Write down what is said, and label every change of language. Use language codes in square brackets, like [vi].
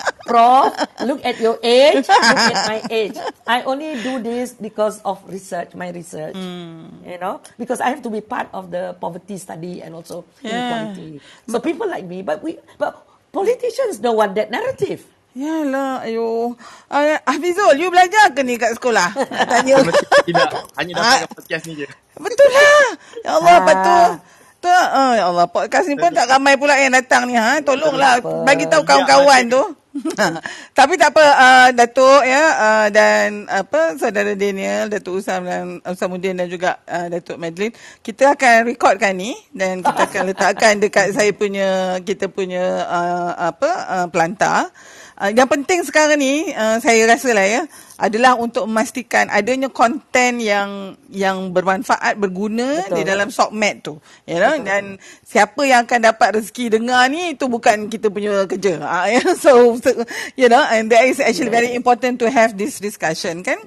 [en] Prof, look at your age, look at my age. I only do this because of research, my research. You know, because I have to be part of the poverty study and also inequality. So people like me, but politicians don't want that narrative. [ms] Yalah, ayuh. Hafizul, you belajar ke ni kat sekolah? Tanya. Tidak, hanya dapat podcast ni je. Betul lah. Ya Allah, ya Allah, podcast ni pun tak ramai pula yang datang ni. Ha? Tolonglah, bagi tahu kawan-kawan tu. Tapi tak apa, Datuk ya, dan apa saudara Daniel, Datuk Usam dan Usamuddin dan juga Datuk Madeline, kita akan rekodkan ni dan kita akan letakkan dekat saya punya, kita punya pelantar. Yang penting sekarang ni saya rasa lah ya, adalah untuk memastikan adanya konten yang bermanfaat, berguna. Betul. Di dalam SOCMED tu, [en] you know? [ms] Dan siapa yang akan dapat rezeki dengar ni, itu bukan kita punya kerja. [en] So you know, and that is actually very important to have this discussion, kan?